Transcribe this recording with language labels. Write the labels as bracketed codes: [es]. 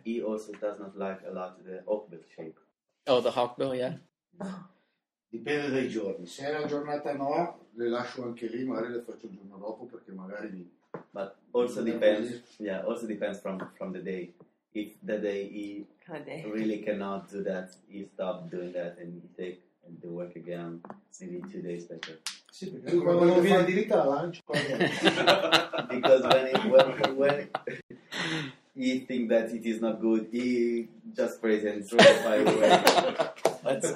[en] He also does not like a lot the hawkbill shape. Oh, the hawkbill, yeah. [it] Dipende dai giorni. Se è la giornata no, le lascio anche lì, magari le faccio il giorno dopo, perché magari... [en] But also depends, yeah, also depends from the day. If the day he really cannot do that, he stop doing that and he take the work again, maybe 2 days later. [it] Sì, perché quando lo viene di ritardo la lancio [en] because when he think that it is not good he just presents right by the way.